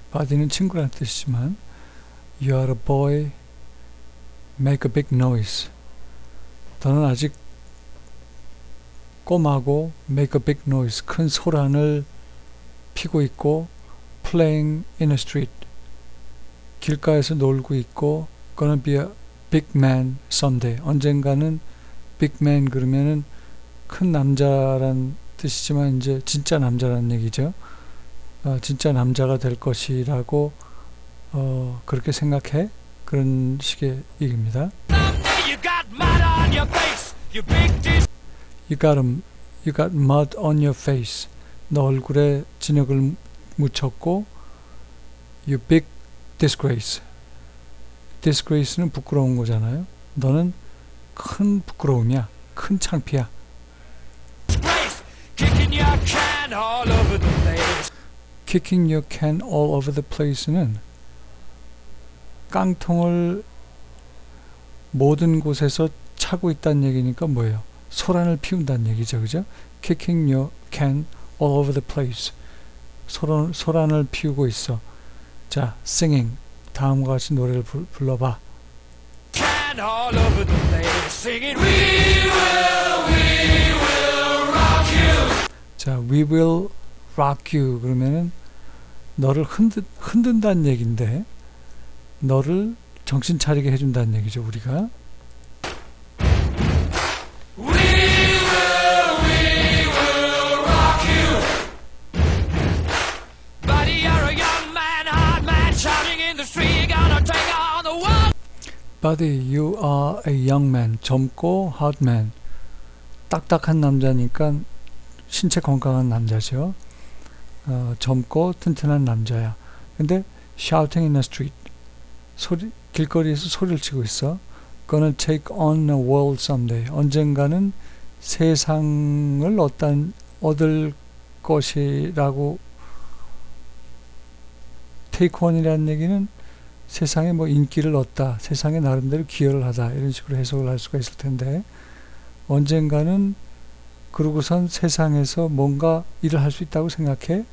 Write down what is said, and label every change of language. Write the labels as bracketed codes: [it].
[ko] 바디는 친구란 뜻이지만 [en] You are a boy, make a big noise. [ko] 너는 아직 꼬마고 [en] make a big noise, [ko] 큰 소란을 피고 있고 [en] playing in the street, [ko] 길가에서 놀고 있고 [en] gonna be a big man someday. [ko] 언젠가는 [en] big man [ko] 그러면은 큰 남자란 뜻이지만 이제 진짜 남자란 얘기죠. 진짜 남자가 될 것이라고 그렇게 생각해? 그런 식의 얘기입니다. [en] You got mud on your face, you big dis- you got mud on your face. [ko] 너 얼굴에 진흙을 묻혔고 [en] you big disgrace. [ko] Disgrace는 부끄러운 거잖아요. 너는 큰 부끄러움이야. 큰 창피야. [en] Kicking your can all over the place. Kicking your can all over the place [ko] 는 깡통을 모든 곳에서 차고 있다는 얘기니까 뭐예요? 소란을 피운다는 얘기죠, 그죠? [en] Kicking your can all over the place. [ko] 소란을 피우고 있어. 자, singing. 다음과 같이 노래를 불러봐. [en] Can all over the place. Singing. We will rock you. 자, we will rock you. [ko] 그러면은 너를 흔든다는 얘기인데 너를 정신 차리게 해준다는 얘기죠, 우리가. [en] We will rock you. Buddy, you're a young man, hard man, shouting in the street, gonna take on the world. Buddy, you are a young man, [ko] 젊고 [en] hard man, [ko] 딱딱한 남자니까 신체 건강한 남자죠. 젊고 튼튼한 남자야. 근데 [en] shouting in the street, [ko] 소리 길거리에서 소리를 치고 있어. [en] Gonna take on the world someday. [ko] 언젠가는 세상을 얻을 것이라고. Take on이라는 얘기는 세상에 뭐 인기를 얻다, 세상에 나름대로 기여를 하다, 이런 식으로 해석을 할 수가 있을 텐데, 언젠가는 그러고선 세상에서 뭔가 일을 할 수 있다고 생각해?